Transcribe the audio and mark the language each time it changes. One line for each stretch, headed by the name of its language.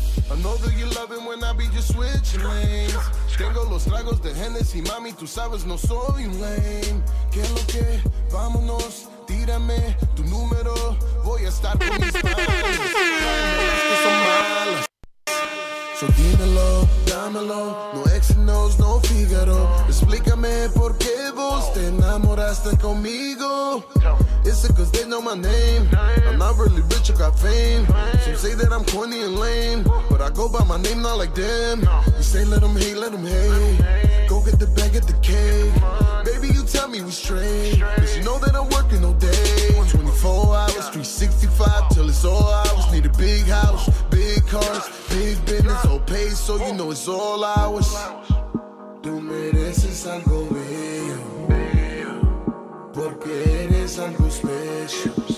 English: I know that you love it when I be just switching lanes.
Spanish: Tengo los tragos de Hennessy, mami, tú sabes no soy un lame. ¿Qué es lo que? Vámonos, tírame tu número. Voy a estar con mis padres. Ay, no, es que son malas. So dímelo, dámelo. No exenos, no Figaro. Explícame por qué vos te enamoraste conmigo.
English: Is it cause they know my name? I'm not really rich, I got fame. Some say that I'm corny and lame, but I go by my name, not like them. You say let them hate, let them hate. Go get the bag, get the cake. Baby, you tell me we straight. Cause you know that I'm working all day. 24 hours, 365, till it's all hours. Need a big house, big cars, big business. All paid, so you know it's all ours.
Spanish: Tú mereces algo bello, porque eres algo special.